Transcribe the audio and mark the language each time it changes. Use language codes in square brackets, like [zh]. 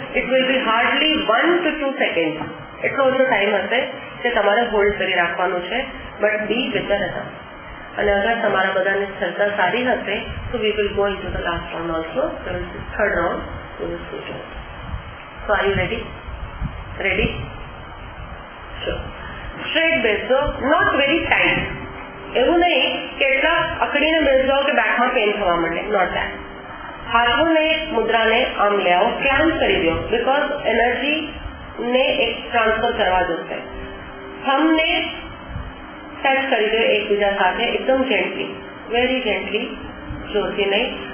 [en] it will be hardly 1 to 2 seconds, [gu] એટલો ઓછો time હશે કે તમારે હોલ્ડ કરી રાખવાનું છે. [en] But be better હતા. [gu] અને અગર તમારા બધાની શ્રદ્ધા સારી હશે તો [en] We will go into the last round also, third round. So are you ready? Ready? Sure. Straight [gu] બેસો, [en] not very tight. [gu] એવું નહીં કેટલા અકડીને બેસો કે બેકમાં પેન થવા માંડે, [en] not that. [gu] હાથોને મુદ્રાને આમ લેવો, ક્લેમ્પ કરી દો, બીકોઝ એનર્જી ને એક ટ્રાન્સફર કરવા જોશે. થમને ટચ કરી દો એકબીજા સાથે એકદમ [en] gently, very gently, [gu] જોરથી નહીં.